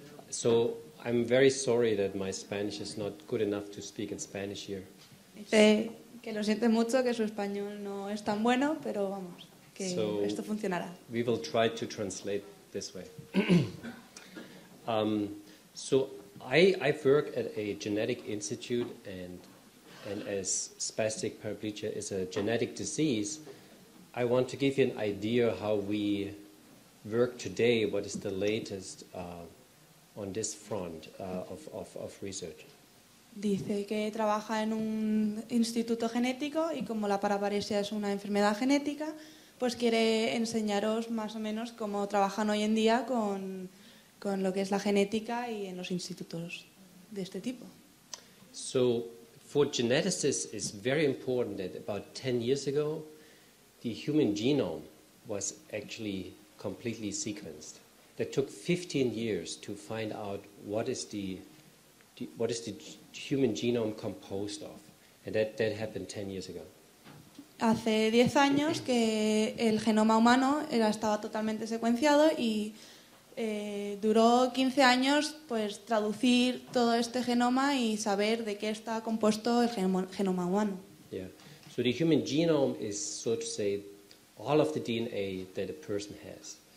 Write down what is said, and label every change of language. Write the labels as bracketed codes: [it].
[en] So I'm very sorry that my Spanish is not good enough to speak in Spanish here. [es] Que lo siente mucho que su español no es tan bueno, pero vamos. [en] So [es] esto funcionará. [en] We will try to translate this way. I've worked at a genetic institute and as spastic paraplegia is a genetic disease, I want to give you an idea how we work today, what is the latest on this front of research. [es] Dice que trabaja en un instituto genético y como la paraplegia es una enfermedad genética, pues quiere enseñaros más o menos cómo trabajan hoy en día con lo que es la genética y en los institutos de este tipo. [en] So, for geneticists, it's very important that about 10 years ago, the human genome was actually completely sequenced. That took 15 years to find out what is the human genome composed of. And that happened 10 years ago. [es] Hace 10 años que el genoma humano estaba totalmente secuenciado y duró 15 años pues traducir todo este genoma y saber de qué está compuesto el genoma humano. [en] Yeah. So the human genome is, so to say, all of the DNA that a person has.